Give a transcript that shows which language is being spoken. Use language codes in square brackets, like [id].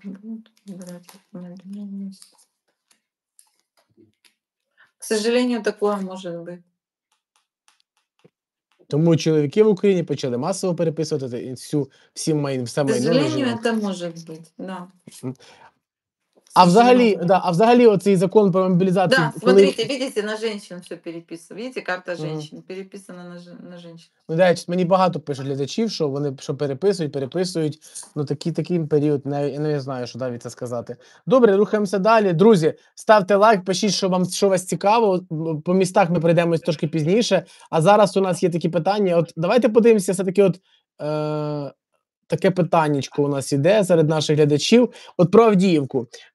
[uk] Будуть забирати автомобіль у власника? [ru] К сожалению, такое может быть. [uk] Тому чоловіки в Україні почали масово переписувати все майно. Зрозуміло, це може бути, да. А взагалі оцей закон про мобілізацію... [ru] Да, смотрите, видите, на женщин все переписано. Видите, карта женщин, переписана на женщин. [uk] Ну, дивіться, мені багато пишуть глядачів, що вони що переписують. Ну, такий період, не знаю, що далі це сказати. Добре, рухаємося далі. Друзі, ставте лайк, пишіть, що вас цікаво. По містах ми пройдемось трошки пізніше. А зараз у нас є такі питання. От давайте подивимося все-таки от... Таке питаннячко у нас іде серед наших глядачів. От про Авдіївку.